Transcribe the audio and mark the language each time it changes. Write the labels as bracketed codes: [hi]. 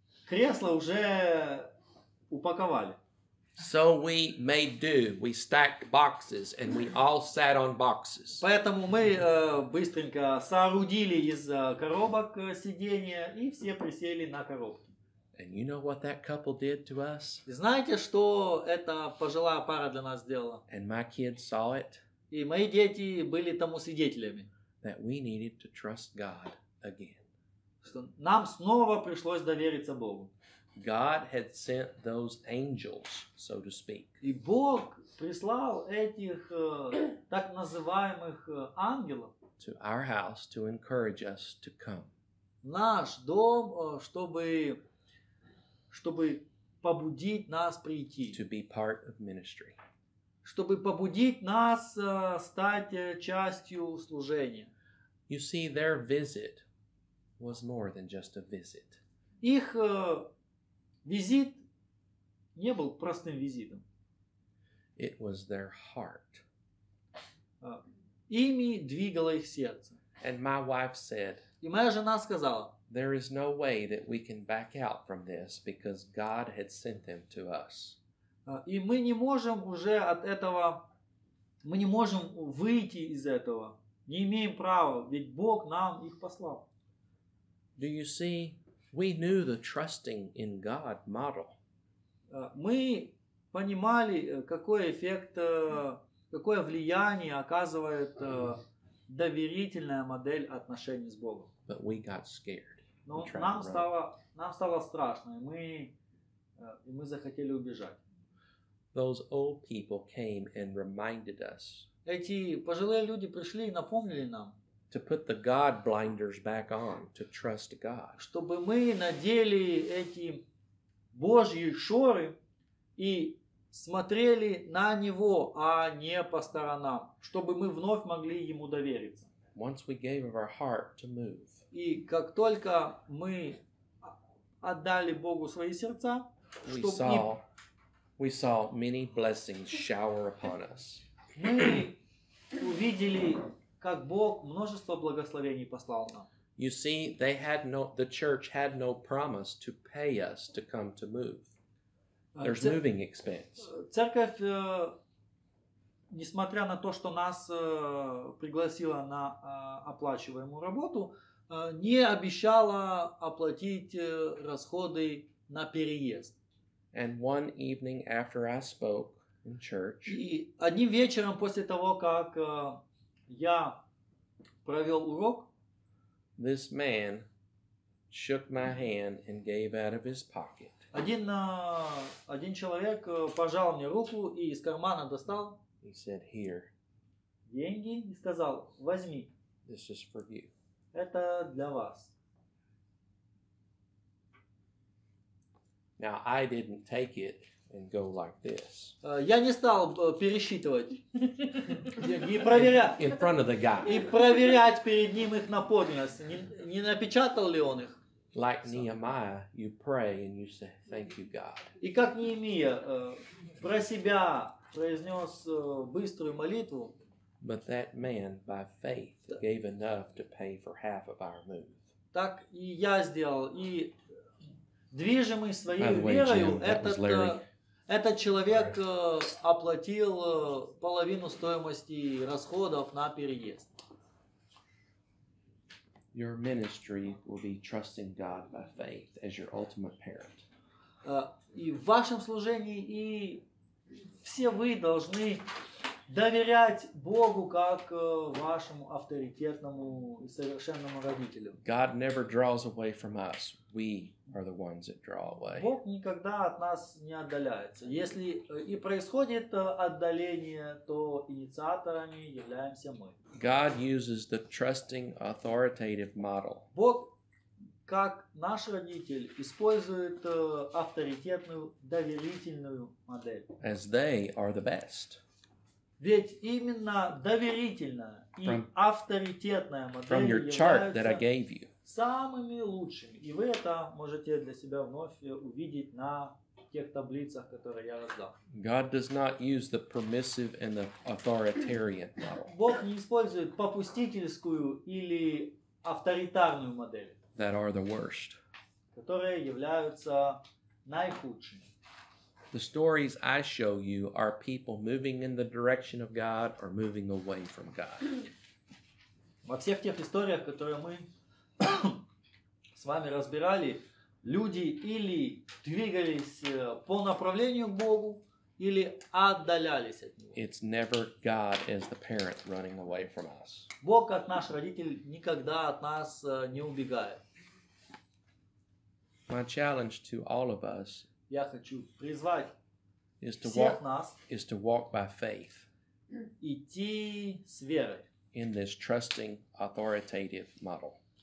[ru] Кресла уже упаковали. [en] So we made do. We stacked boxes and we all sat on boxes. [ru] Поэтому мы быстренько соорудили из коробок сиденья и все присели на коробки. [en] And you know what that couple did to us? [ru] Знаете, что эта пожилая пара для нас сделала? [en] And my kids saw it. [ru] И мои дети были тому свидетелями. [en] That we needed to trust God again. [ru] Что нам снова пришлось довериться Богу. [en] God had sent those angels, so to speak. [ru] И Бог прислал этих так называемых ангелов [en] to our house to encourage us to come. [ru] Наш дом, чтобы побудить нас прийти. [en] To be part of ministry. [ru] Чтобы побудить нас стать частью служения. [en] You see, their visit was more than just a visit. [ru] Их визит не был простым визитом. [en] It was their heart. [ru] Ими двигало их сердце. [en] And my wife said, [ru] и моя жена сказала, [en] there is no way that we can back out from this because God had sent them to us. [ru] И мы не можем уже от этого, мы не можем выйти из этого. Не имеем права, ведь Бог нам их послал. [en] Do you see? We knew the trusting in God model. [ru] Мы понимали, какой эффект, какое влияние оказывает доверительная модель отношений с Богом. [en] But we got scared. [ru] Но нам стало страшно, и мы захотели убежать. [en] Those old people came and reminded us. [ru] Эти пожилые люди пришли и напомнили нам. [en] To put the God blinders back on, to trust God. [ru] Чтобы мы надели эти Божьи шоры и смотрели на Него, а не по сторонам. Чтобы мы вновь могли Ему довериться. [en] Once we gave our heart to move. [ru] И как только мы отдали Богу свои сердца, [en] we saw many blessings shower upon us. [ru] Мы увидели, как Бог множество благословений послал нам. [en] You see, they had no, the church had no promise to pay us to come to move. There's moving expense. [ru] Церковь, несмотря на то, что нас пригласила на оплачиваемую работу, не обещала оплатить расходы на переезд. [en] And one evening after I spoke in church. [ru] И одним вечером после того, как я провел урок. [en] This man shook my hand and gave out of his pocket. [ru] Один человек пожал мне руку и из кармана достал. [en] He said, "Here." [ru] Деньги и сказал: "Возьми." [en] This is for you. [ru] Это для вас. [en] Now I didn't take it and go like this. [ru] Я не стал пересчитывать и проверять. In front of the guy. И проверять перед ним их на подлинность. Не напечатал ли он их? [en] Like Nehemiah, you pray and you say, "Thank you, God." [ru] И как Неемия про себя произнес быструю молитву. [en] But that man, by faith, gave enough to pay for half of our move. [ru] Так и я сделал. И движимый своей верою, этот человек оплатил половину стоимости расходов на переезд. [en] Your ministry will be trusting God by faith as your ultimate parent. [ru] И в вашем служении и все вы должны доверять Богу как вашему авторитетному и совершенному родителю. [en] God never draws away from us. We are the ones that draw away. [ru] Бог никогда от нас не отдаляется. Если и происходит отдаление, то инициаторами являемся мы. [en] God uses the trusting authoritative model. [ru] Бог, как наш родитель, использует авторитетную, доверительную модель. As they are the best. Ведь именно доверительная и авторитетная модель является самыми лучшими. И вы это можете для себя вновь увидеть на тех таблицах, которые я раздал. [en] God does not use the permissive and the authoritarian model. [ru] Бог не использует попустительскую или авторитарную модель. [en] That are the worst. [ru] Которые являются наихудшими. [en] The stories I show you are people moving in the direction of God or moving away from God. [ru] Во всех тех историях, которые мы с вами разбирали, люди или двигались по направлению к Богу, или отдалялись от Него. [en] It's never God as the parent running away from us. [ru] Бог, как наш родитель, никогда от нас не убегает. [en] My challenge to all of us [ru] Я хочу призвать всех нас [en] is to walk by faith [ru] идти с верой [en] in this trusting authoritative model.